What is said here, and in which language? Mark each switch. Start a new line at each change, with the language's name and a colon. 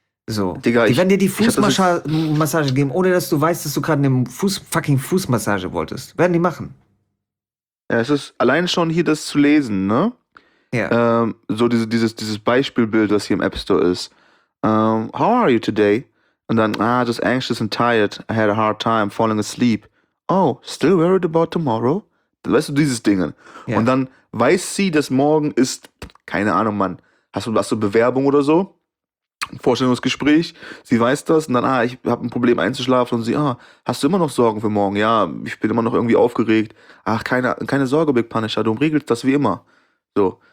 German: So. Digga, die werden dir die Fußmassage geben, ohne dass du weißt, dass du gerade eine fucking Fußmassage wolltest. Werden die machen. Ja, es ist allein schon hier das zu lesen, ne?
English: Yeah.
German: So dieses Beispielbild, das hier im App Store ist.
English: How are you today?
German: Und dann,
English: just anxious and tired. I had a hard time falling asleep. Oh, still worried about tomorrow?
German: Weißt du, dieses Ding.
English: Yeah.
German: Und dann weiß sie, dass morgen ist, keine Ahnung, Mann, hast du Bewerbung oder so? Vorstellungsgespräch. Sie weiß das und dann, ich habe ein Problem einzuschlafen und sie, hast du immer noch Sorgen für morgen? Ja, ich bin immer noch irgendwie aufgeregt. Ach, keine Sorge, Big Punisher, du regelst das wie immer. So.